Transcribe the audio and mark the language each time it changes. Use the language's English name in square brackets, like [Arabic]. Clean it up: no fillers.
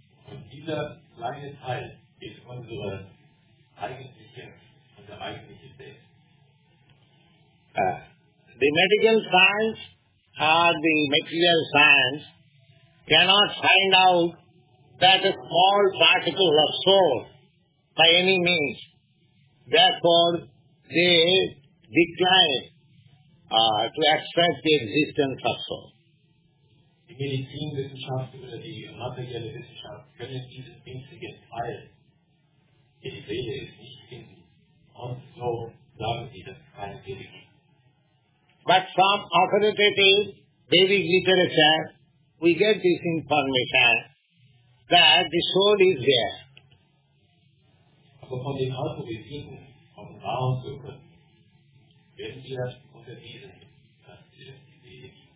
[German] Und dieser kleine Teil ist unsere eigentliche, unser eigentliche Selbst. [English] The medical science or the material science cannot find out that a small particle of soul by any means. Therefore, they decline to accept the existence of soul. [German] Die Medizinwissenschaft oder die materielle Wissenschaft können dieses winzige Teil, die Seele ist, nicht finden. Und so sagen sie, das ist keine Seele. [English] But from authoritative Vedic literature, we get this information that the soul is there. [German] Aber von den autorisierten Offenbarungsbüchern werden wir das unterwiesen, dass die Seele gibt.